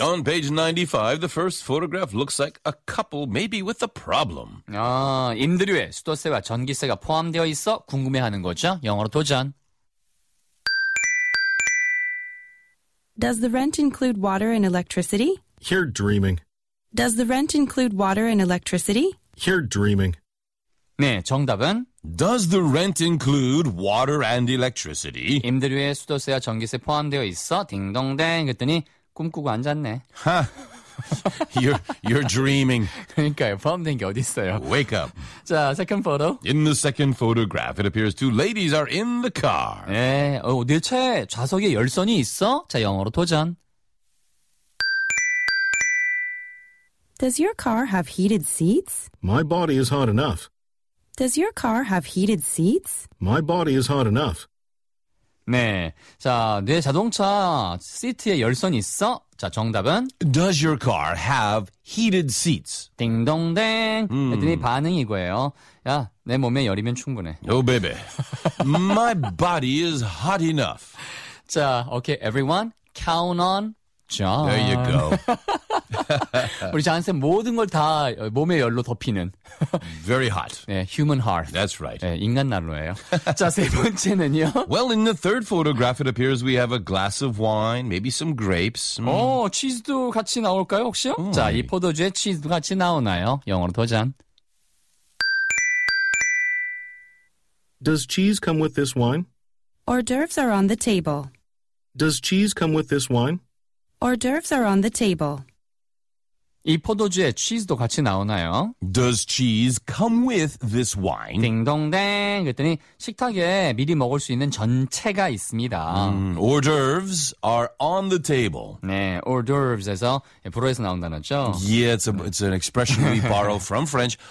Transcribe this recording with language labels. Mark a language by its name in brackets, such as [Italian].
[English] On page 95, the first photograph looks like a couple maybe with a problem. [Korean] 아, 임대료에 수도세와 전기세가 포함되어 있어 궁금해하는 거죠. 영어로 도전. [English] Does the rent include water and electricity? Here dreaming. Does the rent include water and electricity? Here dreaming. [Korean] 네, 정답은 [English] Does the rent include water and electricity? [Korean] 임대료에 수도세와 전기세 포함되어 있어? 딩동댕 그랬더니 꿈꾸고 앉았네. [English] You're dreaming. [Korean] 그러니까요. 포함된 게 어디 있어요? [English] Wake up. 자, second photo. In the second photograph, it appears two ladies are in the car. [Korean] 네, 어, 내 차에 좌석에 열선이 있어? 자, 영어로 도전. [English] Does your car have heated seats? My body is hot enough. Does your car have heated seats? My body is hot enough. [Korean] 네, 자, 내 자동차 시트에 열선 있어? 자, 정답은 [English] Does your car have heated seats? [Korean] 딩동댕. 그랬더니 반응이 이거예요. 야, 내 몸에 열이면 충분해. [English] Oh, baby. My body is hot enough. 자, okay, everyone, count on John. There you go. [Korean] 우리 잔쌤 모든 걸 다 몸의 열로 덮이는 [English] Very hot. 네, human heart. That's right. [Korean] 네, 인간 난로예요. 자, 세 번째는요. [English] Well, in the third photograph, it appears we have a glass of wine, maybe some grapes. [Korean] 오, 치즈도 같이 나올까요, 혹시요? 자, 이 포도주에 치즈도 같이 나오나요? 영어로 도전. [English] Does cheese come with this wine? Hors d'oeuvres are on the table. Does cheese come with this wine? Hors d'oeuvres are on the table. [Korean] 이 포도주에 치즈도 같이 나오나요? [English] Does cheese come with this wine? [Korean] 딩동댕 그랬더니 식탁에 미리 먹을 수 있는 전체가 있습니다. [English] Hors d'oeuvres are on the table. [Korean] 네, hors d'oeuvres에서 불어에서 나온다는 거죠? [English] Yeah, it's an expression we borrow from French.